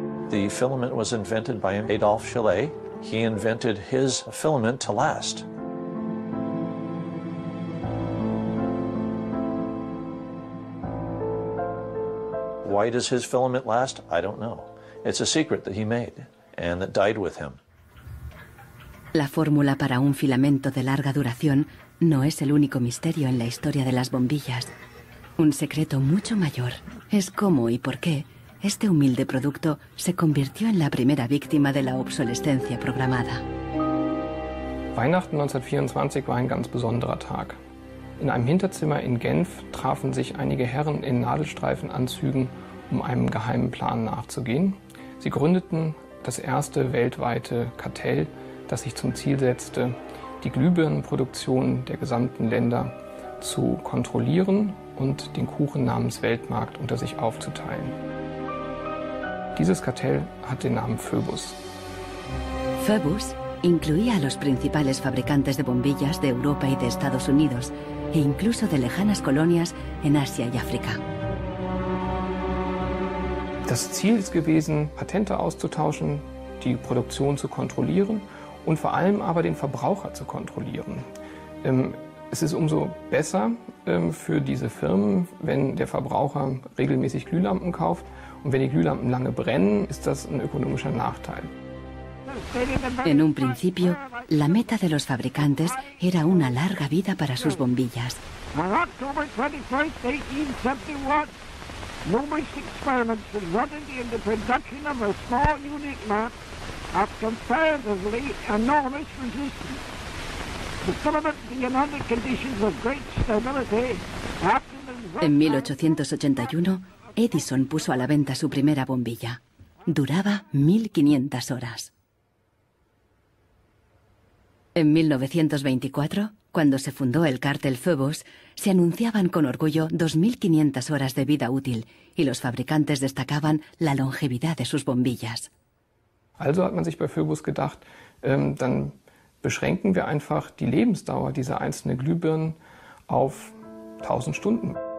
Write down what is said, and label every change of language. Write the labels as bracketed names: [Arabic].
[English] The filament was invented by Adolphe Chollet. He invented his filament to last. Why does his filament last? I don't know. It's a secret that he made and that died with him. [Spanish] La fórmula para un filamento de larga duración no es el único misterio en la historia de las bombillas. Un secreto mucho mayor es cómo y por qué este humilde producto se convirtió en la primera víctima de la obsolescencia programada. [German] Weihnachten 1924 war ein ganz besonderer Tag. In einem Hinterzimmer in Genf trafen sich einige Herren in Nadelstreifenanzügen, um einem geheimen Plan nachzugehen. Sie gründeten das erste weltweite Kartell, das sich zum Ziel setzte, die Glühbirnenproduktion der gesamten Länder zu kontrollieren und den Kuchen namens Weltmarkt unter sich aufzuteilen. Dieses Kartell hat den Namen Phoebus. [Spanish] Phoebus incluía a los principales fabricantes de bombillas de Europa y de Estados Unidos e incluso de lejanas colonias en Asia y África. [German] Das Ziel ist gewesen, Patente auszutauschen, die Produktion zu kontrollieren und vor allem aber den Verbraucher zu kontrollieren. Es ist umso besser für diese Firmen, wenn der Verbraucher regelmäßig Glühlampen kauft. Und wenn die Glühlampen lange brennen, ist das ein ökonomischer Nachteil. [Spanish] En un principio, la meta de los fabricantes era una larga vida para sus bombillas. [English] On October 21st, 1871, numerous experiments resulted in the production of a small unit lamp of comparatively enormous resistance. The filament began under conditions of great stability. After the result, [Spanish] en 1881, Edison puso a la venta su primera bombilla. Duraba 1500 horas. En 1924, cuando se fundó el cartel Phoebus, se anunciaban con orgullo 2500 horas de vida útil y los fabricantes destacaban la longevidad de sus bombillas. [German] Also hat man sich bei Phoebus gedacht, dann beschränken wir einfach die Lebensdauer dieser einzelnen Glühbirnen auf 1000 Stunden.